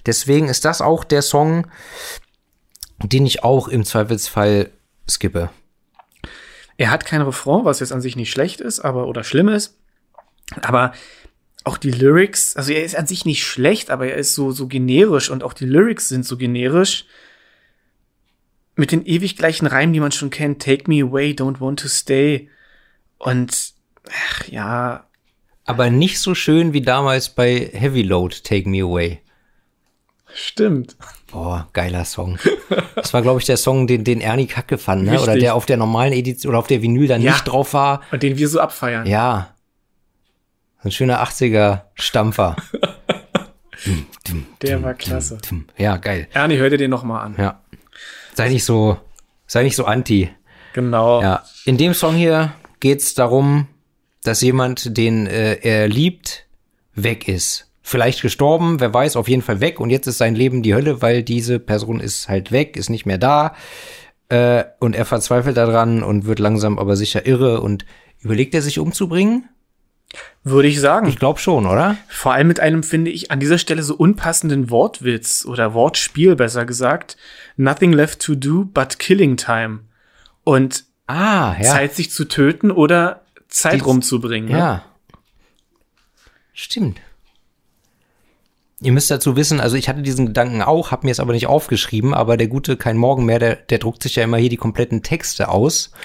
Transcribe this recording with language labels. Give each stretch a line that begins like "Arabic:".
German: Deswegen ist das auch der Song, den ich auch im Zweifelsfall skippe. Er hat kein Refrain, was jetzt an sich nicht schlecht ist, aber oder schlimm ist. Aber auch die Lyrics, also er ist an sich nicht schlecht, aber er ist so generisch und auch die Lyrics sind so generisch. Mit den ewig gleichen Reimen, die man schon kennt.
English: Take me away, don't want to stay.
German: Und, ach ja. Aber nicht so schön wie damals bei Heavy Load, Take Me Away. Stimmt. Boah, geiler Song. Das war, glaube ich, der Song, den Ernie kacke fand, ne? Oder der auf der normalen Edition oder auf der Vinyl dann nicht drauf war. Und den wir so abfeiern. Ja. Ein schöner 80er Stampfer. Der war klasse. Ja, geil. Ernie, hör dir den nochmal an. Ja. Sei nicht so anti. Genau. Ja, in dem Song hier geht's darum, dass jemand, den er liebt, weg ist. Vielleicht gestorben, wer weiß, auf jeden Fall weg. Und jetzt ist sein Leben die Hölle, weil diese Person ist halt weg, ist nicht mehr da. Und er verzweifelt daran und wird langsam aber sicher irre. Und überlegt er sich umzubringen? Würde ich sagen. Ich glaube schon, oder? Vor allem mit einem, finde ich, an dieser Stelle so unpassenden Wortwitz oder Wortspiel, besser gesagt.
English: Nothing left to do but killing time.
German: Und Zeit, sich zu töten oder Zeit rumzubringen. Ja. Ne? Stimmt. Ihr müsst dazu wissen, also ich hatte diesen Gedanken auch, habe mir es aber nicht aufgeschrieben, aber der gute Kein Morgen mehr, der druckt sich ja immer hier die kompletten Texte aus.